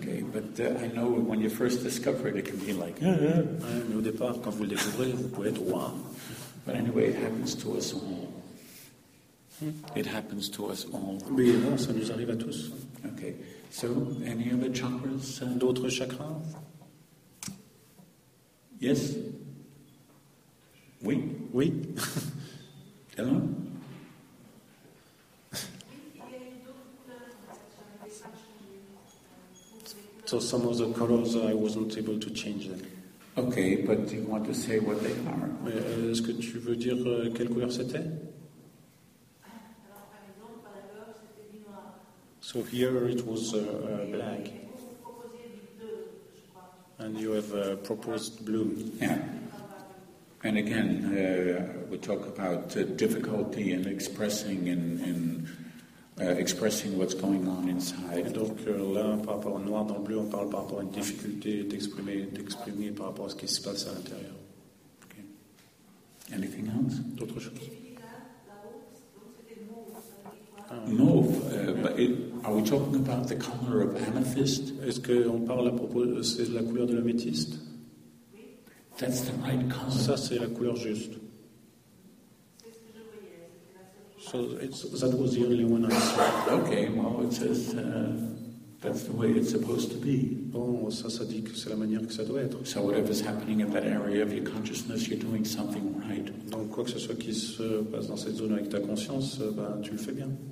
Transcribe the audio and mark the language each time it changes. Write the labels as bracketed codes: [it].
[en] Okay, but I know when you first discover it, it can be like. [fr] Mais au départ, quand vous le découvrez, vous pouvez être roi. [en] But anyway, it happens to us all. It happens to us all. [fr] Mais non, ça nous arrive à tous. [en] Okay. So, any other chakras? [fr] D'autres chakras? [en] Yes. [fr] Oui. Oui. [en] Hello. So some of the colors I wasn't able to change them. Okay, but do you want to say what they are? [fr] Mais est-ce que tu veux dire quelle couleur c'était? Alors par exemple, par l'heure, c'était du noir. [en] So here it was black. And you have proposed blue. Yeah. And again, we talk about difficulty in expressing in expressing what's going on inside. [fr] Et donc là, par rapport au noir dans le bleu, on parle par rapport à une difficulté d'exprimer par rapport à ce qui se passe à l'intérieur. [en] Okay. Anything else? [fr] D'autres choses? Mauve. [en] Are we talking about the color of amethyst? [fr] Est-ce que on parle à propos c'est la couleur de l'améthyste? [en] That's the right color. [fr] Ça c'est la couleur juste. [en] So that was the only one I saw. Okay, well, it says that's the way it's supposed to be. [fr] Bon, ça dit que c'est la manière que ça doit être. [en] So whatever's happening in that area of your consciousness, you're doing something right. [fr] Donc quoi que ce soit qui se passe dans cette zone avec ta conscience, ben tu le fais bien.